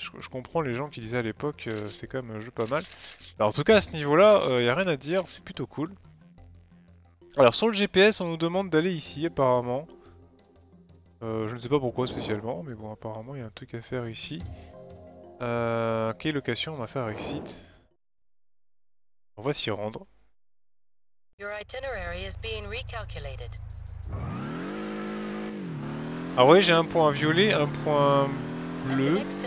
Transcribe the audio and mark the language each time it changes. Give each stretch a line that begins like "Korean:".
French: Je comprends les gens qui disaient à l'époque c'est quand même un jeu pas mal. Alors, en tout cas, à ce niveau-là, il n'y a rien à dire. C'est plutôt cool. Alors, sur le GPS, on nous demande d'aller ici, apparemment. Je ne sais pas pourquoi spécialement, mais bon, apparemment, il y a un truc à faire ici. Quelle location on va faire avec site? On va s'y rendre.
English: Your itinerary is being recalculated.
French: Ah oui, j'ai un point violet, un point bleu.